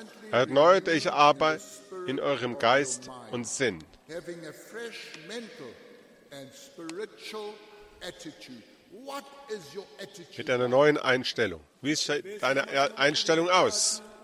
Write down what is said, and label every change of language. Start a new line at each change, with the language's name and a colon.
German: Erneuert euch aber in eurem Geist und Sinn.
English: Having a fresh mental and spiritual attitude. What is your attitude?
German: Mit einer neuen Einstellung. Wie ist deine Einstellung aus?